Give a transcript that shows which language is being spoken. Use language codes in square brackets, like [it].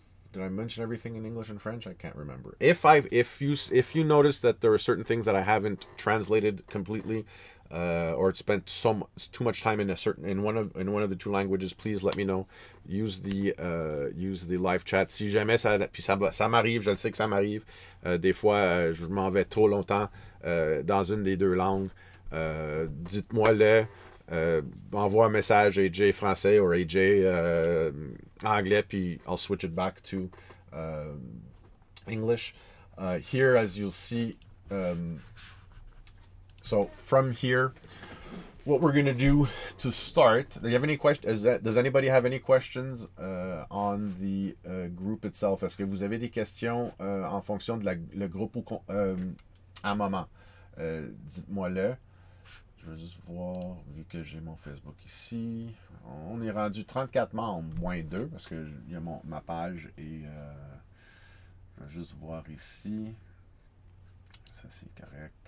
[en] Did I mention everything in English and French? I can't remember. If you notice that there are certain things that I haven't translated completely, or spent too much time in one of the two languages, please let me know. Use the live chat. [fr] Si jamais ça, puis ça m'arrive, je le sais que ça m'arrive. Des fois, je m'en vais trop longtemps dans une des deux langues. Dites-moi le. Envoie un message AJ français or AJ anglais, puis [en] I'll switch it back to English. Here, as you'll see, so from here, what we're going to do to start, do you have any questions? Does anybody have any questions on the group itself? [fr] Est-ce que vous avez des questions en fonction de le groupe ou à moment? Dites-moi le. Je vais juste voir, vu que j'ai mon Facebook ici. On est rendu 34 membres, moins 2, parce que il y a ma page. Et je vais juste voir ici. Ça, c'est correct.